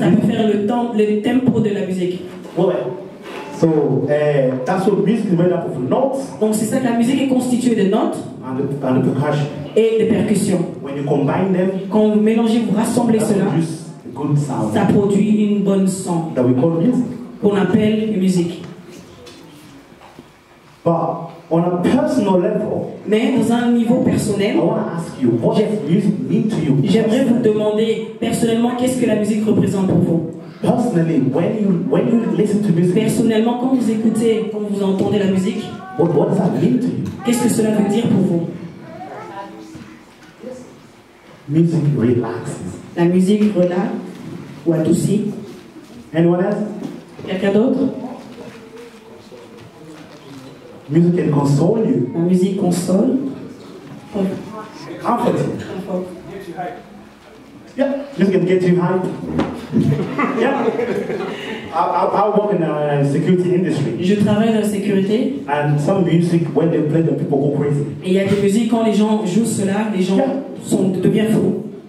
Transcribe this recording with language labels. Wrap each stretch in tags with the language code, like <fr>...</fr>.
<fr>Ça peut faire le tempo de la musique.</fr> <en>Well, so that's what music is made up of notes.</en> <fr>Donc c'est ça que la musique est constituée de notes.</fr> <en>And the percussion.</en> <fr>Et de percussions.</fr> <en>When you combine them.</en> <fr>Quand vous mélangez, vous rassemblez cela.</fr> <en>That produces a good sound.</en> <fr>Ça produit une bonne son.</fr> <en>That we call music.</en> <fr>Qu'on appelle une musique.</fr> <en>But on a personal level,</en> <fr>mais dans un niveau personnel,</fr> <en>I want to ask you, what does music mean to you?</en> <fr>J'aimerais vous demander personnellement qu'est-ce que la musique représente pour vous.</fr> <en>Personally, when you listen to music,</en> <fr>personnellement quand vous écoutez, quand vous entendez la musique,</fr> <en>what does that mean to you?</en> <fr>Qu'est-ce que cela veut dire pour vous?</fr> <en>Music relaxes.</en> <fr>La musique relaxe ou adoucit.</fr> <en>Anyone else?</en> <fr>Quelqu'un d'autre?</fr> <en>Music can console you.</en> <fr>La musique console.</fr> <en>Comfort. Yeah, music can get you high. Yeah. I work in the security industry.</en> <fr>Je travaille dans la sécurité.</fr> <en>And some music when they play, the people go crazy.</en> <fr>Et il y a des musiques quand les gens jouent cela, les gens sont deviennent fous.</fr>